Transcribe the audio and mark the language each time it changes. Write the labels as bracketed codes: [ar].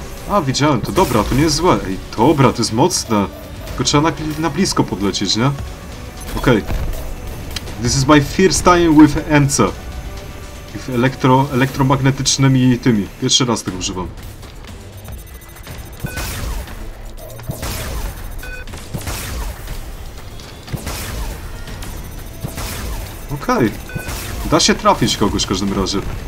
[pl] A, widziałem to. Dobra, to nie jest złe. Ej, dobra, to jest mocne. Tylko trzeba na blisko podlecieć, nie? Okej. Okay. [en] This is my first time with MC. [pl] With elektromagnetycznymi tymi. Pierwszy raz tego używam. Okej, okay. Da się trafić kogoś w każdym razie.